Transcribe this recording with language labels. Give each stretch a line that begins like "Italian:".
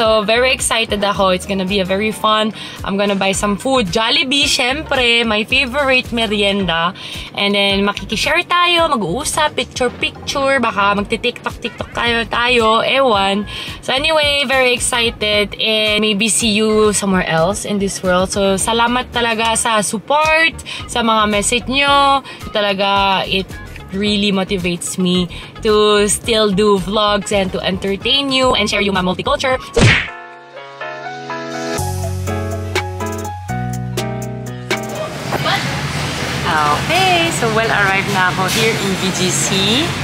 English: So very excited ako. It's gonna be a very fun. I'm gonna buy some food. Jollibee, syempre, my favorite merienda.
Filipino: And then makikishare tayo, mag-uusap, picture, baka magti-TikTok tayo, ewan.
English: So anyway, very excited and maybe see you somewhere else in this world.
Filipino: So salamat talaga sa support, sa mga message nyo.
English: Talaga, it really motivates me to still do vlogs and to entertain you and share you my multiculture. Okay, so well arrived
Filipino: na ako
English: here in BGC.